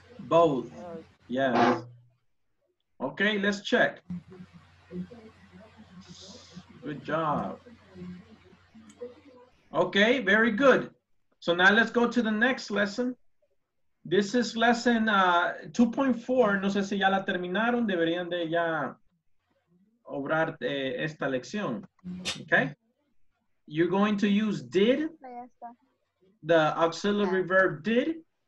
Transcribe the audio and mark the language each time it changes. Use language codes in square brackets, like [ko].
[en] Both, yes. Okay, let's check. Good job. Okay, very good. So now let's go to the next lesson. This is lesson 2.4. [es] No sé si ya la terminaron, deberían de ya obrar esta lección, okay? [en] You're going to use did, the auxiliary verb did.